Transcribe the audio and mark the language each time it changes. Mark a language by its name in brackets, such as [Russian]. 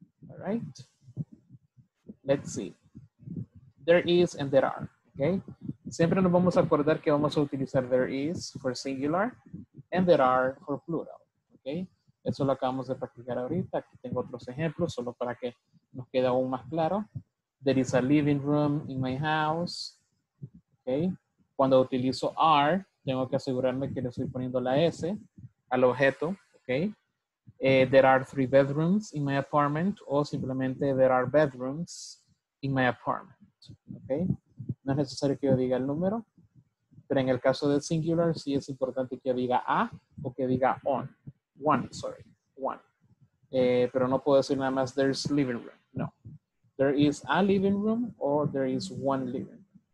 [English] All right. Let's see. There is and there are. Okay. [Spanish] Siempre nos vamos a acordar que vamos a utilizar [English] there is for singular and there are for plural. [Spanish] Okay. Eso lo acabamos de practicar ahorita. Aquí tengo otros ejemplos solo para que nos quede aún más claro. [English] There is a living room in my house. Okay. [Spanish] Cuando utilizo are, tengo que asegurarme que le estoy poniendo la S al objeto. [English] Okay. There are three bedrooms in my apartment, [Spanish] o simplemente [English] there are bedrooms in my apartment. Okay? [Spanish] No es necesario que yo diga el número, pero en el caso del singular sí es importante que yo diga a o que diga on. [English] One, sorry. One. [Spanish] Pero no puedo decir nada más [English] there's living room. [Spanish] No. [English] There is a living room o there is one living room.